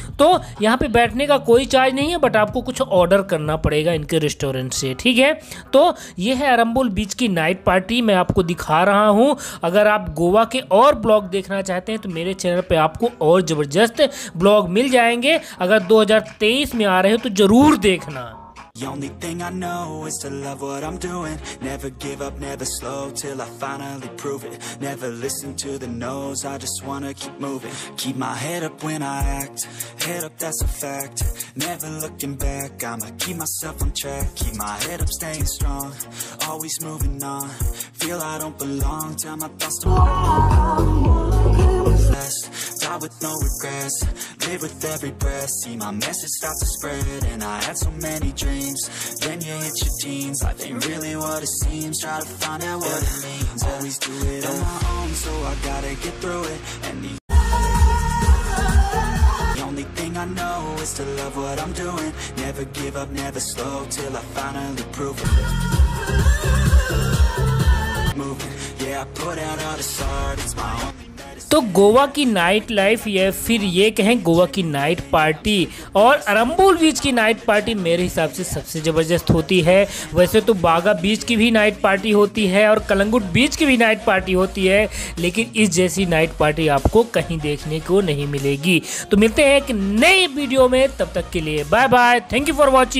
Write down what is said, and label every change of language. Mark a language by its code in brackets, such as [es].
[hi] तो यहाँ पे बैठने का कोई चार्ज नहीं है, बट आपको कुछ ऑर्डर करना पड़ेगा इनके रेस्टोरेंट से, ठीक है। तो ये है अरंबोल बीच की नाइट पार्टी, मैं आपको दिखा रहा हूँ। अगर आप गोवा के और ब्लॉग देखना चाहते हैं तो मेरे चैनल पे आपको और ज़बरदस्त ब्लॉग मिल जाएंगे। अगर 2023 में आ रहे हो तो ज़रूर देखना। [en] The only thing I know is to love what I'm doing. Never give up, never slow till I finally prove it. Never listen to the no's, I just wanna keep moving. Keep my head up when I act, head up, that's a fact. Never looking back, I'ma keep myself on track. Keep my head up, staying strong, always moving on. Feel I don't belong, tell my thoughts to move on. Die with no regrets, live with every breath. See my message start to spread, and I had so many dreams. Then you hit your teens, life ain't really what it seems. Try to find out what it means, always do it on my own, so I gotta get through it. And the only thing I know is to love what I'm doing. Never give up, never slow, till I finally prove it. Moving, yeah, I put out all the art, it's my only. [hi] तो गोवा की night life, या फिर ये कहें गोवा की night party और अरंबोल बीच की night party, मेरे हिसाब से सबसे ज़बरदस्त होती है। वैसे तो बागा बीच की भी नाइट पार्टी होती है और कलंगुट बीच की भी नाइट पार्टी होती है, लेकिन इस जैसी नाइट पार्टी आपको कहीं देखने को नहीं मिलेगी। तो मिलते हैं एक नए वीडियो में, तब तक के लिए bye bye, [en] Thank you for watching.